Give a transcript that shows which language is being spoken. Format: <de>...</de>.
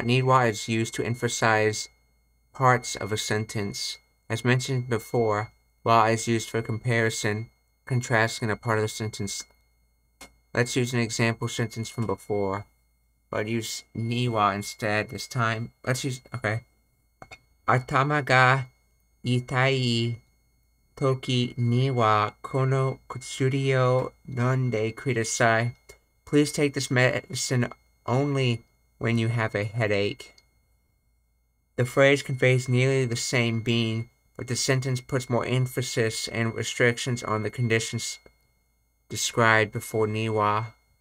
<en>Niwa is used to emphasize parts of a sentence. As mentioned before, wa is used for comparison, contrasting a part of the sentence. Let's use an example sentence from before, but use niwa instead this time. Let's use, okay.</en> <ja>頭が痛い時にはこの薬を飲んでください。</ja> <en>Please take this medicine only when you have a headache. The phrase conveys nearly the same meaning, but the sentence puts more emphasis and restrictions on the conditions described before niwa.</en>